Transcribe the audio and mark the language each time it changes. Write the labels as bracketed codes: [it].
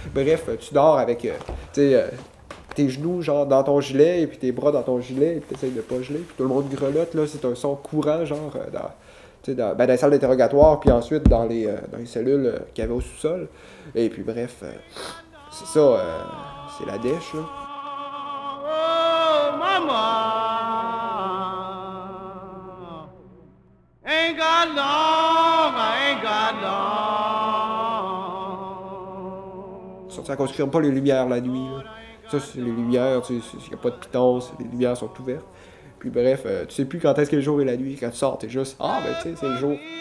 [fr] Bref, tu dors avec, tes genoux genre dans ton gilet, et puis tes bras dans ton gilet, et puis t'essayes de pas geler, puis tout le monde grelotte, là, c'est un son courant, genre, dans... dans les salles d'interrogatoire, puis ensuite dans les cellules qu'il y avait au sous-sol. Et puis bref, c'est ça, c'est la dèche, là. [en] Oh, mama, ain't got long, I ain't got long. [fr] Sorti à cause qu'ils n'ont pas les lumières la nuit, là. Ça, c'est les lumières, tu sais, il n'y a pas de piton, les lumières sont ouvertes. Puis bref, tu sais plus quand est-ce que le jour et la nuit, quand tu sors, t'es juste, ah ben tu sais, c'est le jour.